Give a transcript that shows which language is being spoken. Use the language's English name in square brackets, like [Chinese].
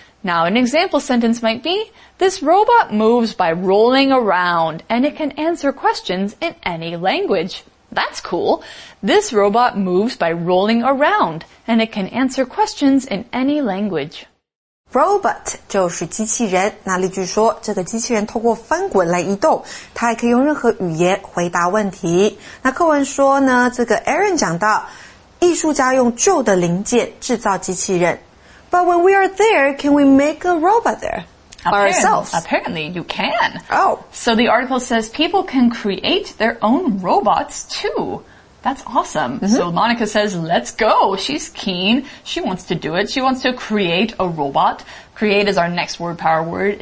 [English] Now, an example sentence might be, this robot moves by rolling around, and it can answer questions in any language. That's cool. This robot moves by rolling around, and it can answer questions in any language. [Chinese] Robot 就是机器人。那例句说，这个机器人透过翻滚来移动，它还可以用任何语言回答问题。那课文说呢，这个 Aaron 讲到，艺术家用旧的零件制造机器人。 [English] But when we are there, can we make a robot there? Apparently, you can. Oh. So the article says people can create their own robots too. That's awesome. Mm-hmm. So Monica says, let's go. She's keen. She wants to do it. She wants to create a robot. Create is our next word power word.